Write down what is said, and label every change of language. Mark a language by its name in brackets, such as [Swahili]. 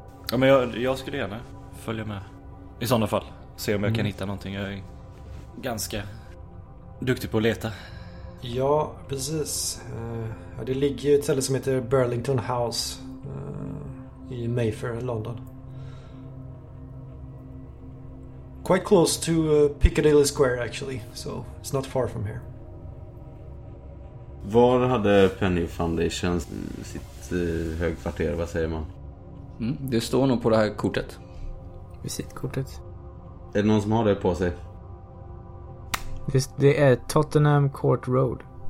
[Swedish] Ja, men jag skulle gärna följa med. I sådana fall. Se om jag kan hitta någonting. Jag ganska duktig på att leta. Ja, precis. Det ligger ju ett ställe som heter Burlington House i Mayfair, London. [English] Quite close to Piccadilly Square actually, so it's not far from here. [Swedish] Var hade Penny Foundation sitt högkvarter, vad säger man? Mm, det står nog på det här kortet. Visitkortet. Är det någon som har det på sig? Det är Tottenham Court Road.